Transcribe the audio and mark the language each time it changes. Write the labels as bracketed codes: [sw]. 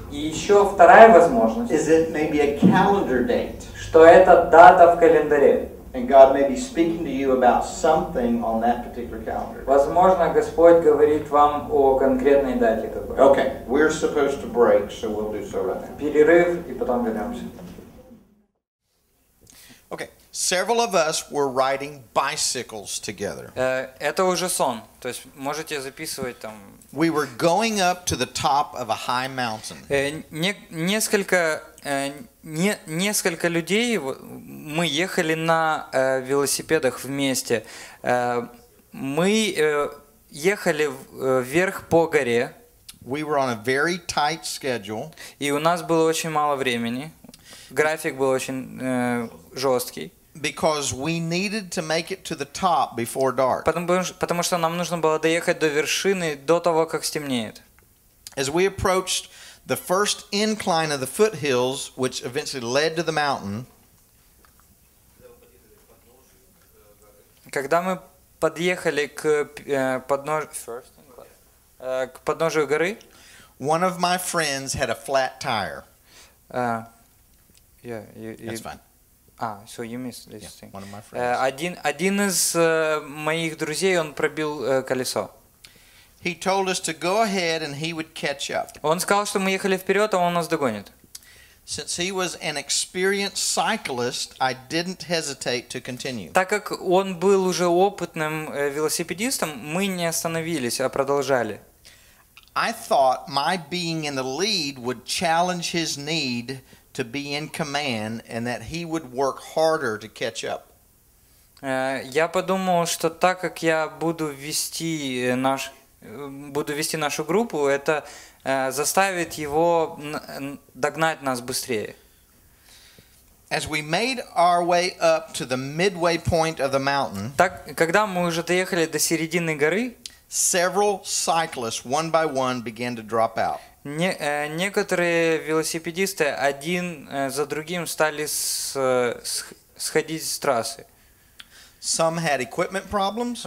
[ru] И еще вторая возможность. [en] Is it maybe a calendar date? [ru] Что это дата в календаре? [en] And God may be speaking to you about something on that particular calendar. [ru] Возможно, Господь говорит вам о конкретной дате какой. [en] Okay, we're supposed to break, so we'll do so right now. [ru] Перерыв, и потом вернемся. [en] Okay, Several of us were riding bicycles together. [ru] Это уже сон. То есть можете записывать там. [en] We were going up to the top of a high mountain. [ru] Несколько людей мы ехали на велосипедах вместе. Мы ехали вверх по горе. [en] We were on a very tight schedule. [ru] И у нас было очень мало времени. График был очень жесткий. [en] Because we needed to make it to the top before dark. [ru] Потому что нам нужно было доехать до вершины до того, как стемнеет. [en] As we approached the first incline of the foothills, which eventually led to the mountain. [ru] Когда мы подъехали к подножию горы, [en] one of my friends had a flat tire. That's fine. So you missed this thing. One of my friends. [ru] Один из моих друзей, он пробил колесо. [en] He told us to go ahead and he would catch up. [ru] Он сказал, что мы ехали вперед, а он нас догонит. [en] Since he was an experienced cyclist, I didn't hesitate to continue. [ru] Так как он был уже опытным велосипедистом, мы не остановились, а продолжали. [en] I thought my being in the lead would challenge his need to be in command and that he would work harder to catch up. [ru] Я подумал, что так как я буду вести нашу группу, это заставит его догнать нас быстрее. [en] As we made our way up to the midway point of the mountain, [ru] так когда мы уже доехали до середины горы, [en] several cyclists one by one began to drop out. [ru] Некоторые велосипедисты один за другим стали сходить с трассы. [en] Some had equipment problems.